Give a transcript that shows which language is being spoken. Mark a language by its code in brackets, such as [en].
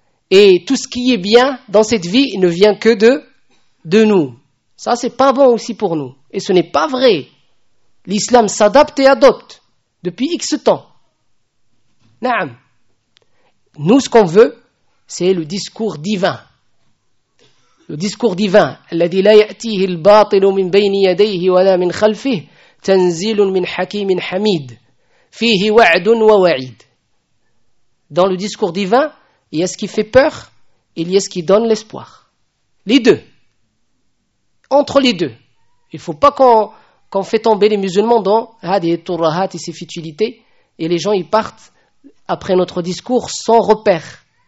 [fr] Et tout ce qui est bien dans cette vie ne vient que de nous. Ça, c'est pas bon aussi pour nous. Et ce n'est pas vrai. L'islam s'adapte et adopte depuis X temps. Naam. Nous, ce qu'on veut, c'est le discours divin. Le discours divin. [ar] الذي لا يأتيه الباطل من بين يديه ولا من خلفه تنزيل من حكيم حميد فيه وعد ووعيد. [fr] Dans le discours divin, il y a ce qui fait peur et il y a ce qui donne l'espoir. Les deux. Entre les deux. Il ne faut pas qu'on fait tomber les musulmans dans [ar] هذه الترهات [fr] et ces futilités et les gens ils partent après notre discours sans repère.